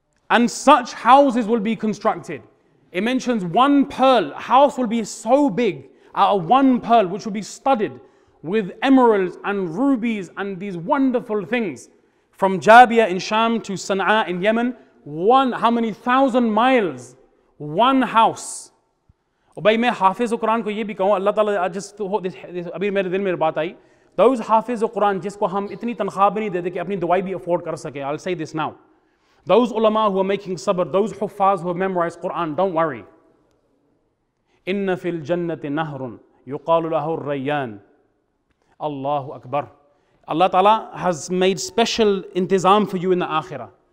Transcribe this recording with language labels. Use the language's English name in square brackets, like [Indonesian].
[English] And such houses will be constructed. It mentions one pearl. A house will be so big out of one pearl, which will be studded with emeralds and rubies and these wonderful things. From Jabiya in Sham to Sana'a in Yemen, how many thousand miles? One house. [Urdu] Obey میں حافظ و قرآن کو یہ بھی کہوں، اللہ تعالیٰ، [English] I just thought this [Urdu] ابھی میرے دل میں بات آئی. Those حافظ و قرآن جسکو ہم اتنی تنخواہ بھی نہیں دیتے کہ اپنی دوائی بھی afford کر سکے. [English] I'll say this now. Those ulama who are making sabr, those huffaz who have memorized Quran, don't worry. [Arabic] إِنَّ فِي الْجَنَّةِ نَهْرٌ يُقَالُ لَهُ الرَّيَّانِ. Allahu Akbar. [English] Allah Ta'ala has made special intizam for you in the akhirah.